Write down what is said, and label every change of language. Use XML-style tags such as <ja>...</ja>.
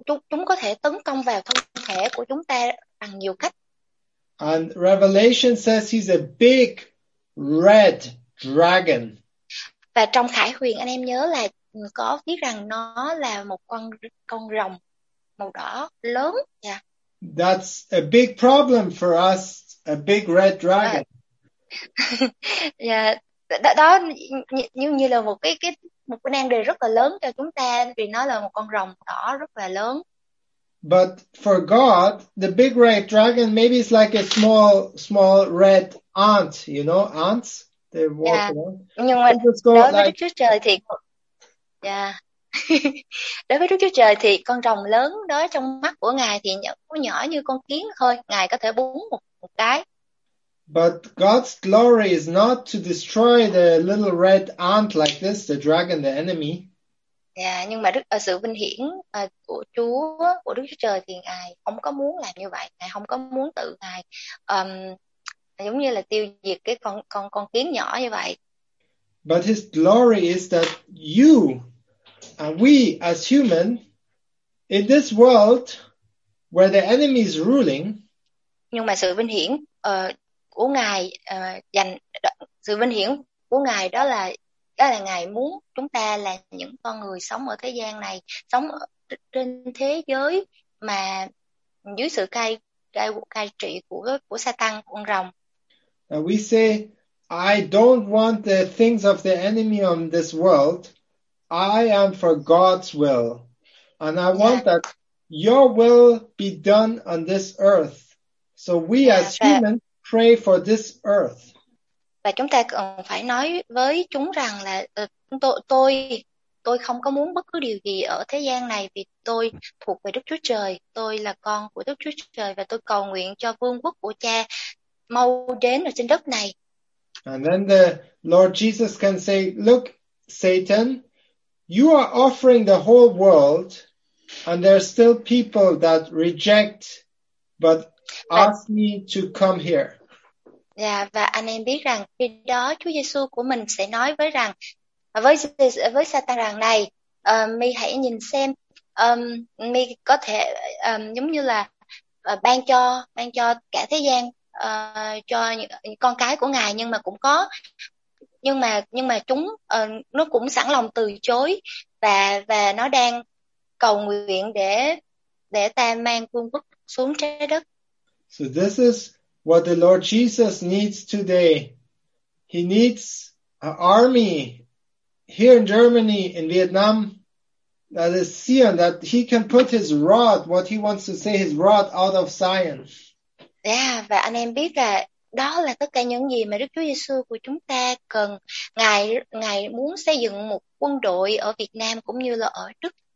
<vi>Chúng có thể tấn công vào thân thể của chúng ta bằng nhiều cách.</vi> <en>And Revelation says he's a big red dragon.</en> <vi>Và trong Khải Huyền anh em nhớ là có biết rằng nó là một con rồng màu đỏ lớn.</vi> <en>Yeah. That's a big problem for us, a big red dragon.</en> <vi>Đó như là một cái nan đề rất là lớn cho chúng ta vì nó là một con rồng đỏ rất là lớn.</vi> <en>But for God, the big red dragon maybe is like a small red ant, you know, ants. They walk around.</en> <vi>Nhưng mà Đức Chúa Trời thì đối với Đức Chúa Trời thì con rồng lớn đó trong mắt của ngài thì nhỏ như con kiến thôi, ngài có thể búng một cái.</vi> <en>But God's glory is not to destroy the little red ant like this, the dragon, the enemy.</en> <vi>Nhưng mà sự vinh hiển của Đức Chúa Trời thì ngài không có muốn làm như vậy, ngài không có muốn tự ngài giống như là tiêu diệt cái con kiến nhỏ như vậy.</vi> <en>But his glory is that you and we as human in this world where the enemy is ruling.</en> <vi>Nhưng mà sự vinh hiển của ngài sự vinh hiển của ngài đó là ngài muốn chúng ta là những con người sống ở thế gian này, sống trên thế giới mà dưới sự cai trị của Satan, con rồng.</vi> <en>And we say I don't want the things of the enemy on this world. I am for God's will. And I want that your will be done on this earth. So we as humans pray for this earth.</en> <vi>Và chúng ta cần phải nói với chúng rằng là tôi không có muốn bất cứ điều gì ở thế gian này vì tôi thuộc về Đức Chúa Trời. Tôi là con của Đức Chúa Trời và tôi cầu nguyện cho vương quốc của Cha mau đến ở trên đất này.</vi> <en>And then the Lord Jesus can say, look, Satan, you are offering the whole world and there are still people that reject but ask me to come here.</en> <vi>Và anh em biết rằng khi đó Chúa Giêsu của mình sẽ nói với rằng với Satan rằng này, mi hãy nhìn xem mi có thể giống như là ban cho cả thế gian cho con cái của ngài, nhưng mà cũng có nhưng mà chúng nó cũng sẵn lòng từ chối và nó đang cầu nguyện để ta mang vương quốc xuống trái đất.</vi> <en>So this is what the Lord Jesus needs today. He needs an army here in Germany, in Vietnam, that is Zion, that he can put his rod, what he wants to say, his rod out of Zion.</en> <vi>Yeah, và anh em biết là đó là tất cả những gì mà Đức Chúa Giêsu của chúng ta cần. Ngài muốn xây dựng một quân đội ở Việt Nam cũng như là ở Đức.</vi>